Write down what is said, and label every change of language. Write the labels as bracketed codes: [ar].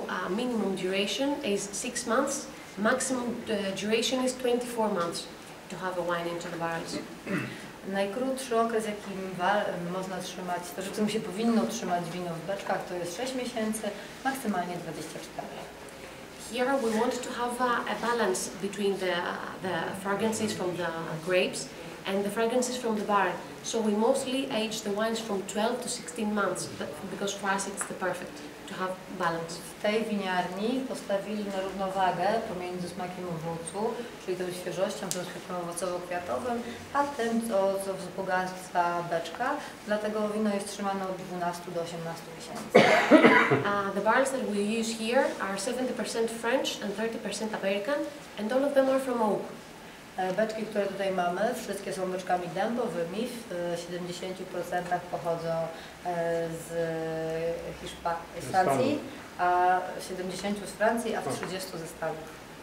[en] Minimum duration is 6 months, maximum duration is 24 months to have a wine into the barrels. [pl] Najkrótszy okres, jakim można trzymać, to czym się powinno trzymać wino w beczkach, to jest 6 miesięcy, maksymalnie 24. [en] Here we want to have a balance between the fragrances from the grapes and the fragrances from the barrel. So we mostly age the wines from 12 to 16 months, because for us it's the perfect. [pl] W tej winiarni postawili na równowagę pomiędzy smakiem owocu, czyli tą świeżością, tym smakiem owocowo-kwiatowym, a tym, co wzbogaca beczka. Dlatego wino jest trzymane od 12 do 18 miesięcy. [en] The barrels that we use here are 70% French and 30% American, and all of them are from oak. [pl] Beczki, które tutaj mamy, wszystkie są beczkami dębowymi, w 70% pochodzą z Hiszpanii, a 70% z Francji, a 30% ze Stanów.